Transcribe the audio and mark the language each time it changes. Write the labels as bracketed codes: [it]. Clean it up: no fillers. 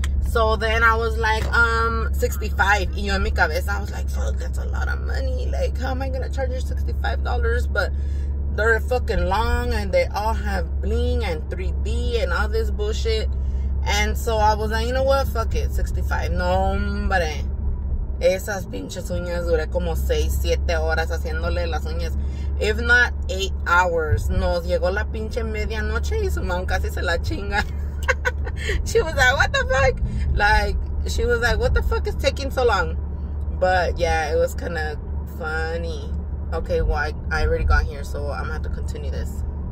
[en] So then I was like, 65. [es] Y yo en mi cabeza, [en] I was like, fuck, that's a lot of money. Like, how am I gonna charge you $65? But they're fucking long and they all have bling and 3D and all this bullshit. And so I was like, you know what? Fuck it. 65. [es] No, hombre. Esas pinches uñas duré como 6, 7 horas haciéndole las uñas. [en] If not 8 hours. [es] Nos llegó la pinche medianoche y su mom casi se la chinga. [en] She was like, what the fuck? Like, she was like, what the fuck is taking so long? But yeah, it was kind of funny. Okay, well, I already got here, so I'm gonna have to continue this.